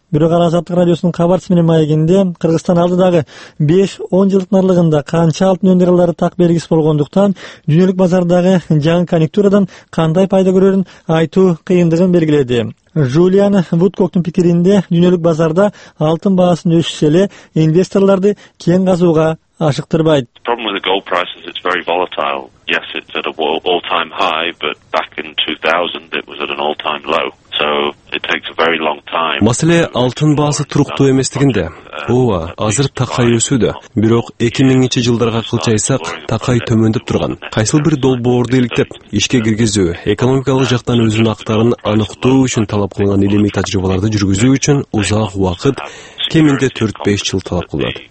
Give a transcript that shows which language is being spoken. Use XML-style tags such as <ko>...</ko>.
<ky>Бирок ал Азаттык радиосунун кабарчысы менен маегинде Кыргызстан алдыдагы 5-10 жылдын аралыгында канча алтын өндүрө алары так белгисиз болгондуктан дүйнөлүк базардагы жаңы конъюнктурадан кандай пайда көрөрүн айтуу кыйындыгын белгиледи. Жулиан Вудкоктун пикиринде дүйнөлүк базарда алтын баасынын өсүшү эле инвесторлорду кен казууга ашыктырбайт.</ky> <en>Yes, it's at an all-time high, but back in 2000 it was at an all-time low. So it takes a very long time.</en> <ky>Маселе алтын баасы туруктуу эместигинде. Ооба, азыр такай өсүүдө. Бирок 2000-чи жылдарга кылчайсак, такай төмөндөп турган. Кайсыл бир долбоорду иликтеп, ишке киргизүү, экономикалык жактан өзүнүн актарын аныктоо үчүн талап кылынган илимий тажрыйбаларды жүргүзүү үчүн узак убакыт, кеминде 4-5 жыл талап кылынат.</ky>